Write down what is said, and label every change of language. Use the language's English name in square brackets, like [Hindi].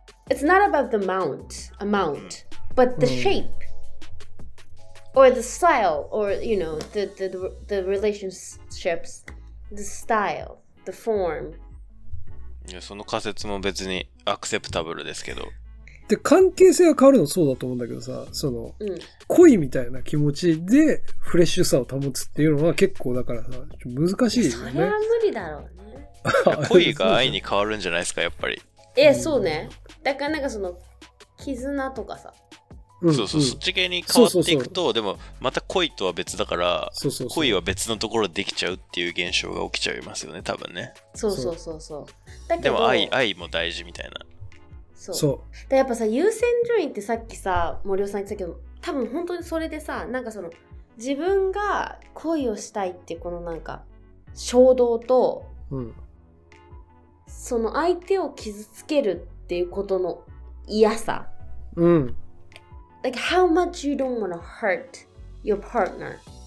[English] it's not about the amount but the shape、うん、or the style or you know the relationships the style the form。 [Japanese] いや、その仮説も別にアクセプタブルですけど。で、関係性が変わるのそうだと思うんだけどさ、その、うん、恋みたいな気持ちでフレッシュさを保つっていうのは結構だからさ、難しいよね。それは無理だろうね。恋が愛に変わるんじゃないですか、やっぱり。え、そうね。だからなんかその、絆とかさ。うん、そうそう、うん、そっち系に変わっていくと、そうそうそう、でもまた恋とは別だから、そうそうそう、恋は別のところでできちゃうっていう現象が起きちゃいますよね、多分ね。そうそうそうそう。だけど、でも愛も大事みたいな。そう。そうだ、やっぱさ、優先順位ってさっきさ、森尾さん言ってたけど、多分本当にそれでさ、なんかその、自分が恋をしたいっていうこのなんか、衝動と、うん、その相手を傷つけるっていうことの嫌さ。うん。 [English] Like how much you don't want to hurt your partner、